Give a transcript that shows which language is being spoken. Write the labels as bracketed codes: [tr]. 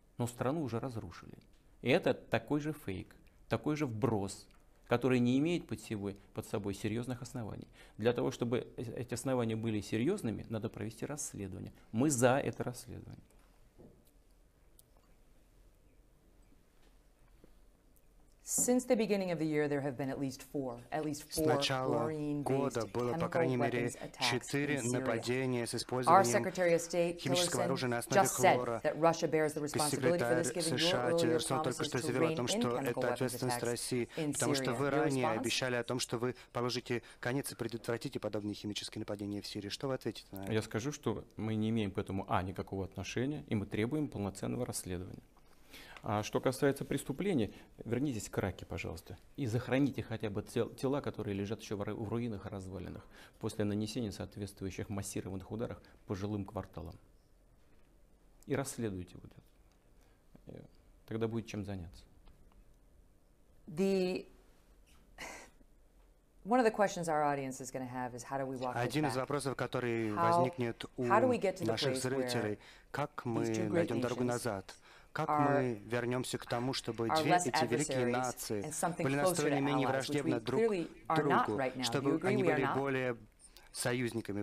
[ru] Но страну уже разрушили. И это такой же фейк, такой же вброс, который не имеет под собой серьезных оснований. Для того, чтобы эти основания были серьезными, надо провести расследование. Мы за это расследование. [en] Since the beginning of the year, there have been at least four chlorine-based [ru] было, [en] chemical weapons attacks in Syria. Our Secretary of State Tillerson just said that Russia bears the responsibility for this, given your earlier promises to rein in chemical weapons attacks in Syria. [ru] Потому что вы ранее обещали о том, что вы положите конец и предотвратите подобные химические нападения в Сирии. Что вы ответите на это? Я скажу, что мы не имеем к этому никакого отношения, и мы требуем полноценного расследования. А что касается преступлений, вернитесь к Раке, пожалуйста, и захороните хотя бы тела, которые лежат еще в руинах и развалинах после нанесения соответствующих массированных ударов по жилым кварталам. И расследуйте вот это. Тогда будет чем заняться. [en] One of the questions our audience is going to have is how do we walk back? [ru] Один из вопросов, который возникнет у наших зрителей, как мы найдем дорогу назад? Как мы вернемся к тому, чтобы две эти великие нации были настроены менее враждебно друг к другу, чтобы они были более союзниками?